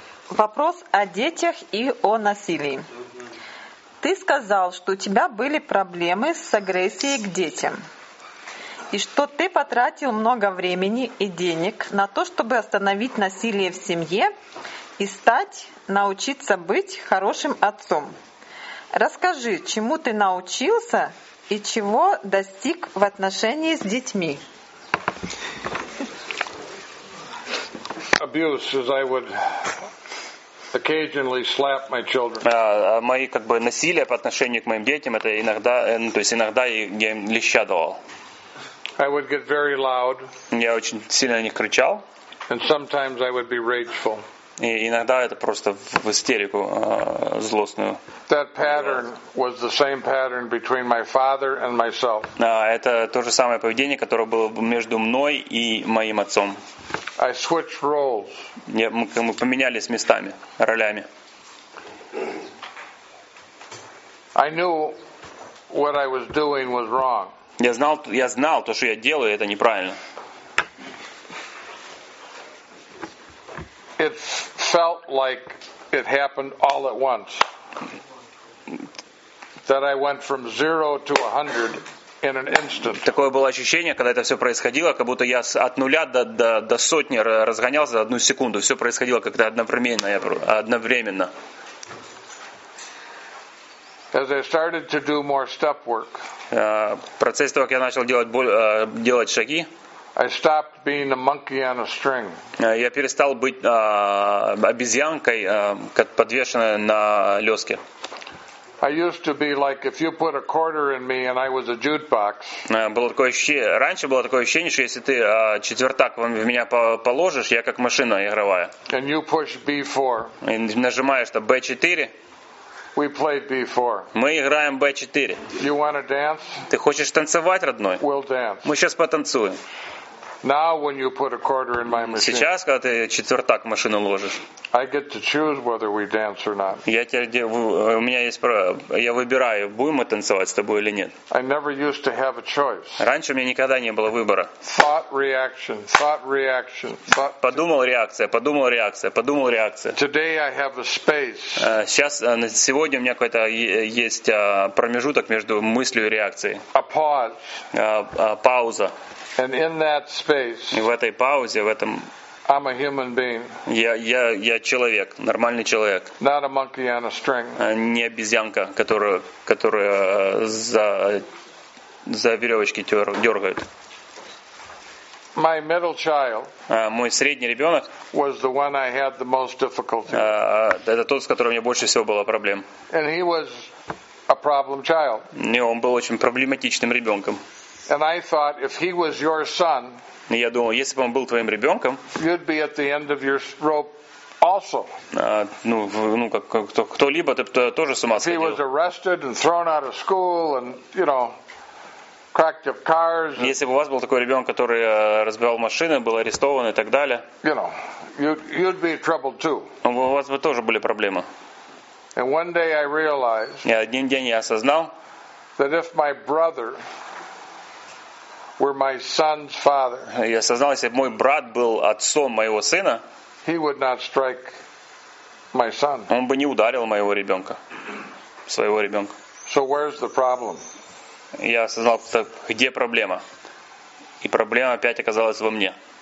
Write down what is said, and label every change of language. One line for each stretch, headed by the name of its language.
Russian: Вопрос о детях и о насилии. Ты сказал, что у тебя были проблемы с агрессией к детям, и что ты потратил много времени и денег на то, чтобы остановить насилие в семье и научиться быть хорошим отцом. Расскажи, чему ты научился и чего достиг в отношении с детьми.
English: Abuse, as I would occasionally slap my children.
Russian: Мои как бы насилие по отношению к моим детям, это иногда, то есть иногда я им леща давал.
English: I would get very loud.
Russian: Я очень сильно на них кричал.
English: And sometimes I would be rageful.
Russian: И иногда это просто в истерику злостную.
English: That pattern was the same pattern between my father and myself.
Russian: Это то же самое поведение, которое было между мной и моим отцом.
English: I switched roles.
Russian: Мы поменялись местами, ролями.
English: I knew what I was doing was wrong.
Russian: Я знал, то, что я делаю, это неправильно.
English: It felt like it happened all at once. That I went from 0 to 100 in an instant.
Russian: Такое было ощущение, когда это все происходило, как будто я от нуля до сотни разгонялся за одну секунду. Все происходило как-то одновременно.
English: As I started to do more step work.
Russian: Процесс того, как я начал делать шаги.
English: I stopped being a monkey on a string.
Russian: Я перестал быть обезьянкой, как подвешенной на леске.
English: I used to be like if you put a quarter in me and I was a jukebox.
Russian: Раньше было такое ощущение, что если ты четвертак в меня положишь, я как машина игровая.
English: And you push B4.
Russian: И нажимаешь там B4.
English: We played B4.
Russian: Мы играем B4.
English: You want to dance?
Russian: Ты хочешь танцевать, родной?
English: We'll dance.
Russian: Мы сейчас потанцуем.
English: Now when you put a quarter in my machine.
Russian: Сейчас, когда ты четвертак в машину ложишь.
English: I get to choose whether we dance or not.
Russian: Я выбираю, будем мы танцевать с тобой или нет.
English: I never used to have a choice.
Russian: Раньше у меня никогда не было выбора.
English: Thought reaction.
Russian: Подумал реакция.
English: Today I have a space.
Russian: Сегодня у меня какой-то есть промежуток между мыслью и реакцией.
English: A pause.
Russian: Пауза.
English: And in that space,
Russian: и в этой паузе, в этом,
English: I'm a human being.
Russian: Я человек, нормальный человек.
English: Not a monkey on a string.
Russian: Не обезьянка, которая за веревочки дергает.
English: My middle child.
Russian: Мой средний ребенок.
English: Was the one I had the most difficulty.
Russian: Это тот, с которым мне больше всего было проблем.
English: And he was a problem child.
Russian: Не, он был очень проблематичным ребенком.
English: And I thought if he was your son,
Russian: я думал, если бы он был твоим ребенком,
English: you'd be at the end of your rope also.
Russian: Кто-либо, ты тоже с ума сходил.
English: If he was arrested and thrown out of school and, you know, cracked up cars.
Russian: Если бы у вас был такой ребенок, который разбивал машины, был арестован и так далее,
English: you know, you'd be troubled too.
Russian: У вас бы тоже были проблемы.
English: And one day I realized.
Russian: И один день я осознал,
English: that if my brother were my son's father.
Russian: Я осознал, если бы мой брат был отцом моего сына,
English: he would not strike my son.
Russian: Он бы не ударил моего ребенка, своего ребенка.
English: So where's the problem?
Russian: Я осознал, где проблема. И проблема опять оказалась во мне.